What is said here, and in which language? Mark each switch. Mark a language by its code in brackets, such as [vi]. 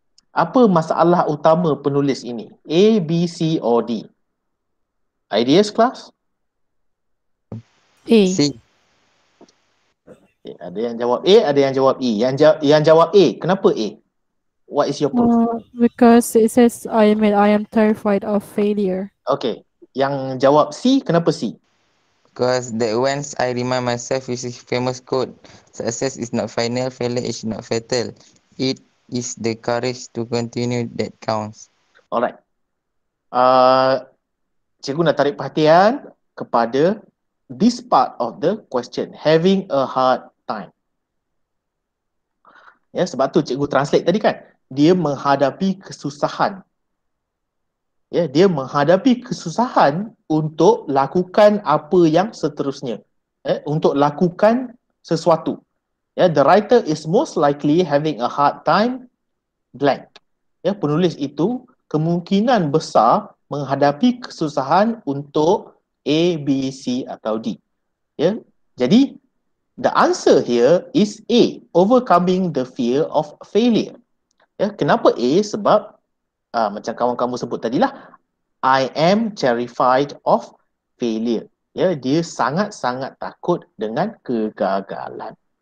[ms] Apa masalah utama penulis ini? [en] A, B, C or D? Ideas, class? A. C. [ms] Okay, ada yang jawab A, ada yang jawab E. Yang jawab A, kenapa A? [en] What is your proof? Because it says I am terrified of failure. [ms] Okay. Yang jawab C, kenapa C? [en] Because that once I remind myself with his famous quote, success is not final, failure is not fatal. It is the courage to continue that counts. Alright. [ms] Cikgu nak tarik perhatian kepada [en] this part of the question, having a hard time. [ms] Ya, sebab tu cikgu translate tadi kan, dia menghadapi kesusahan. Ya, dia menghadapi kesusahan untuk lakukan apa yang seterusnya. Ya, untuk lakukan sesuatu. [en] Ya, the writer is most likely having a hard time blank. [ms] Ya, penulis itu kemungkinan besar menghadapi kesusahan untuk A, B, C atau D. [en] Yeah? Jadi, the answer here is A, overcoming the fear of failure. Yeah? [ms] Kenapa A? Sebab, macam kawan kamu sebut tadilah, [en] I am terrified of failure. Yeah? [ms] Dia sangat-sangat takut dengan kegagalan.